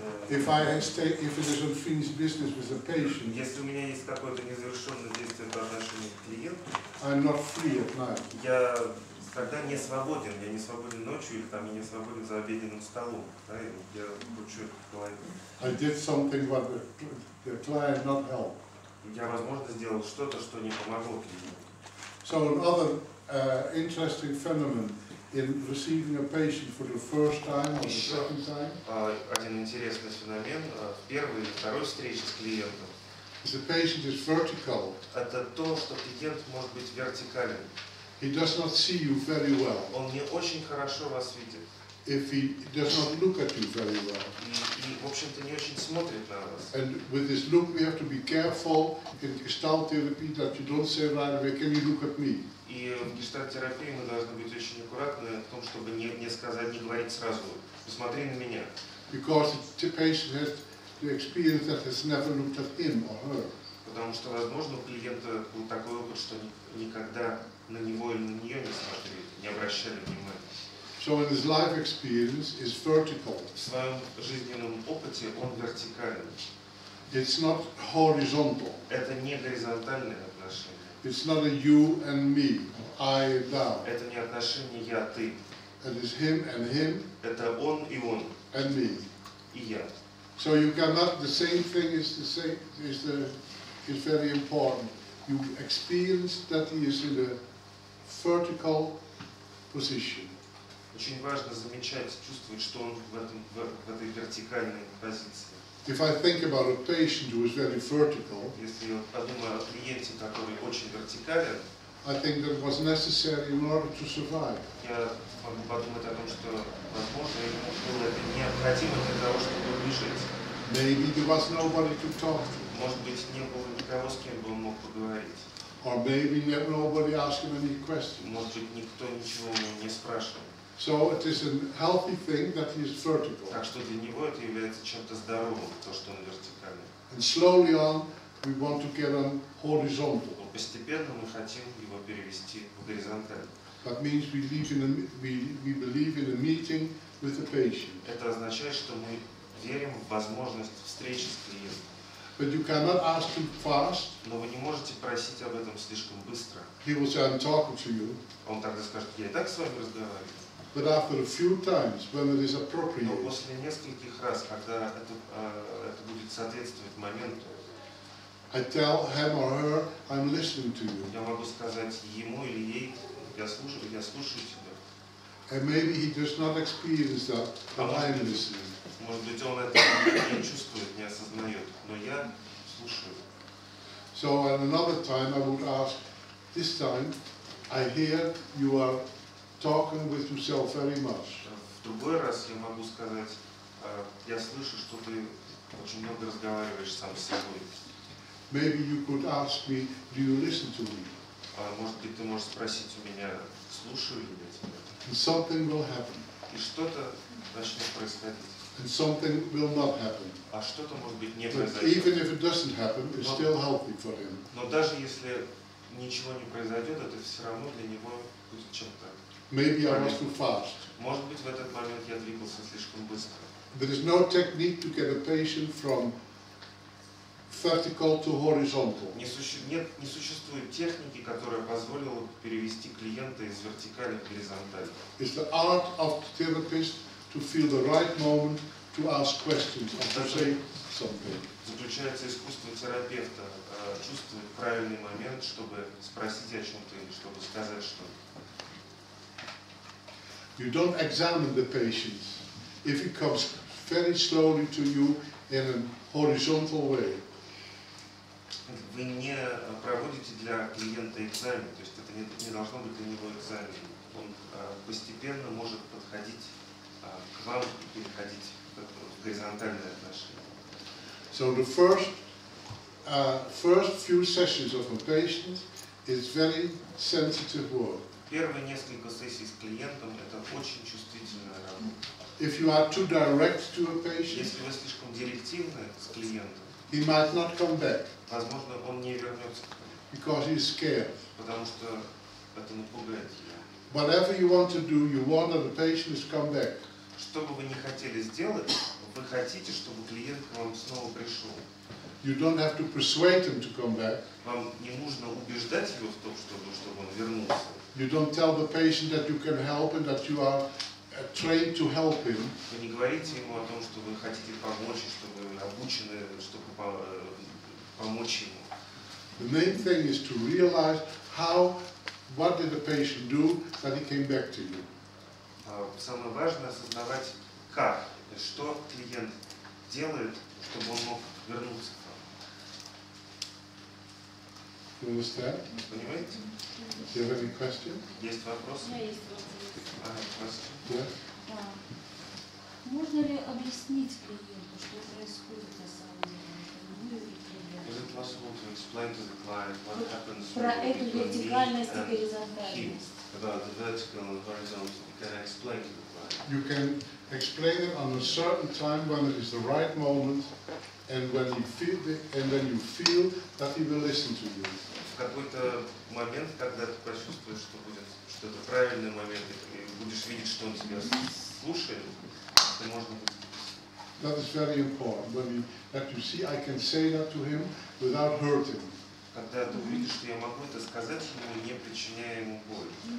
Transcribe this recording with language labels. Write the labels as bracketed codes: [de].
[en] If it is unfinished business with a patient, [ru] если у меня есть какое-то незавершенное действие по отношению к клиенту, [en] I'm not free at night. [ru] Я тогда не свободен. Я не свободен ночью или там я не свободен за обеденным столом. Да, я кручу эту голову. [en] I did something but the client not helped. [ru] Я, возможно, сделал что-то, что не помогло клиенту. [en] So another interesting phenomenon in receiving a patient for the first time or the second time. [ru] Один интересный феномен в первой или второй встрече с клиентом. [en] The patient is vertical. [ru] Это то, что клиент может быть вертикален. [en] He does not see you very well. [ru] Он не очень хорошо вас видит. [en] If he does not look at you very well. [ru] И в общем-то не очень смотрит на вас. [en] And with this look, we have to be careful in gestalt therapy that you don't say right away, can you look at me? [ru] И в гештальт-терапии мы должны быть очень аккуратны в том, чтобы не сказать, не говорить сразу, посмотри на меня. [en] Because the patient has the experience that has never looked at him or her. [ru] Потому что, возможно, у клиента был такой опыт, что никогда на него или на нее не смотрели, не обращали внимания. [en] So in his life experience is vertical. [ru] В своем жизненном опыте он вертикален. [en] It's not horizontal. [ru] Это не горизонтальные отношения. [en] It's not a you and me, I and thou. [ru] Это не отношения я ты. [en] It is him and him. [ru] Это он и он. [en] And me. [ru] И я. [en] So you cannot. The same thing is the same. Is very important. You experience that he is in a vertical position. [ru] Очень важно замечать, чувствовать, что он в этой вертикальной позиции. [en] If I think about a patient who is very vertical, [ru] если я подумаю о клиенте, который очень вертикален, [en] I think that was necessary in order to survive. [ru] Я могу подумать о том, что возможно ему было это необходимо для того, чтобы выжить. [en] Maybe there was nobody to talk to. [ru] Может быть, не было никого. никого, с кем бы он мог поговорить. [en] Or maybe never nobody asked him any questions. [ru] Может, никто ничего ему не спрашивал. [en] So it is a healthy thing that he is vertical. [ru] Так что для него это является чем-то здоровым, то, что он вертикальный. [en] And slowly on, we want to get him horizontal. [ru] Но постепенно мы хотим его перевести в горизонталь. [en] That means we believe in a meeting with the patient. [ru] Это означает, что мы верим в возможность встречи с клиентом. [en] But you cannot ask him fast. [ru] Но вы не можете просить об этом слишком быстро. [en] He will say, "I'm talking to you." [ru] Он тогда скажет: "Я и так с вами разговариваю." [en] But after a few times, when it is appropriate. [ru] Но после нескольких раз, когда это будет соответствовать моменту. [en] I tell him or her, "I'm listening to you." [ru] Я могу сказать ему или ей: я слушаю тебя. [en] And maybe he does not experience that, but I'm listening. [ru] Может быть, он это не чувствует, не осознает, но я слушаю. [en] So at another time I would ask, this time I hear you are talking with yourself very much. [ru] В другой раз я могу сказать, я слышу, что ты очень много разговариваешь сам с собой. [en] Maybe you could ask me, do you listen to me? [ru] Может быть, ты можешь спросить у меня, слушаю ли я тебя? [en] And something will happen. [ru] И что-то начнет происходить. [en] And something will not happen. [ru] А что-то может быть не произойдет. [en] But even if it doesn't happen, it's still healthy for him. [ru] Но даже если ничего не произойдет, это все равно для него будет чем-то. [en] Maybe I was too fast. [ru] Может быть, в этот момент я двигался слишком быстро. [en] There is no technique to get a patient from vertical to horizontal. [ru] Не существует техники, которая позволила бы перевести клиента из вертикали в горизонталь. [en] It's the art of the therapist to feel the right moment to ask questions or to say something. [ru] Заключается искусство терапевта чувствовать правильный момент, чтобы спросить о чем-то или чтобы сказать что-то. [en] You don't examine the patient if it comes very slowly to you in a horizontal way. [ru] Вы не проводите для клиента экзамен, то есть это не должно быть для него экзамен. Он постепенно может подходить к вам и переходить в горизонтальные отношения. [en] So the first few sessions of a patient is very sensitive work. [ru] Первые несколько сессий с клиентом это очень чувствительная работа. [en] If you are too direct to a patient, [ru] если вы слишком директивны с клиентом, [en] he might not come back. [ru] Возможно, он не вернется. [en] Because he is scared. [ru] Потому что это напугает его. [en] Whatever you want to do, you want that the patient is come back. [ru] Что бы вы ни хотели сделать, вы хотите, чтобы клиент к вам снова пришел. [en] You don't have to persuade him to come back. [ru] Вам не нужно убеждать его в том, чтобы он вернулся. [en] You don't tell the patient that you can help and that you are trained to help him. [ru] Вы не говорите ему о том, что вы хотите помочь, что вы обучены, чтобы помочь ему. [en] The main thing is to realize what did the patient do that he came back to you. [ru] Самое важное осознавать, как, что клиент делает, чтобы он мог вернуться к вам. Понимаете? [en] Do you have any question? [ru] Есть вопросы? У меня есть вопрос. Можно ли объяснить клиенту, что происходит на самом деле? [en] Is it possible to explain to the client what happens? [ru] Про эту вертикальность и горизонтальность. [en] About the vertical and horizontal, you can explain to the client. You can explain it on a certain time when it is the right moment, and when you feel that he will listen to you. [ru] В какой-то момент, когда ты почувствуешь, что будет что-то правильный момент, и будешь видеть, что он тебя слушает, это можно. [en] That is very important. When you see, I can say that to him without hurting. [ru] Когда ты увидишь, что я могу это сказать ему, не причиняя ему боль.